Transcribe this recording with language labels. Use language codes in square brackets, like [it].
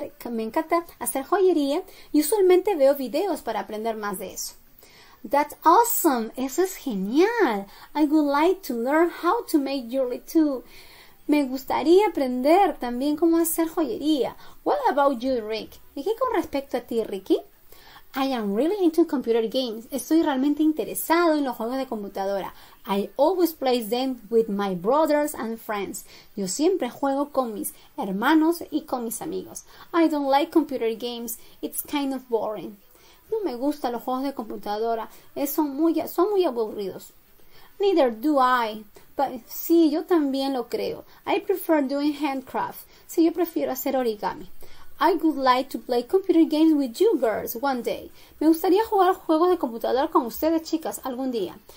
[es] Me encanta hacer joyería y usualmente veo videos para aprender más de eso. [en] That's awesome. [es] Eso es genial. [en] I would like to learn how to make jewelry too. [es] Me gustaría aprender también cómo hacer joyería. [en] What about you, Rick? [es] ¿Y qué con respecto a ti, Ricky? [en] I am really into computer games. [es] Estoy realmente interesado en los juegos de computadora. [en] I always play them with my brothers and friends. [es] Yo siempre juego con mis hermanos y con mis amigos. [en] I don't like computer games. It's kind of boring. [es] No me gustan los juegos de computadora. Son muy aburridos. [en] Neither do I. [es] But sí, yo también lo creo. [en] I prefer doing handcraft. [es] Sí, yo prefiero hacer origami. [en] I would like to play computer games with you girls one day. [es] Me gustaría jugar juegos de computadora con ustedes, chicas, algún día.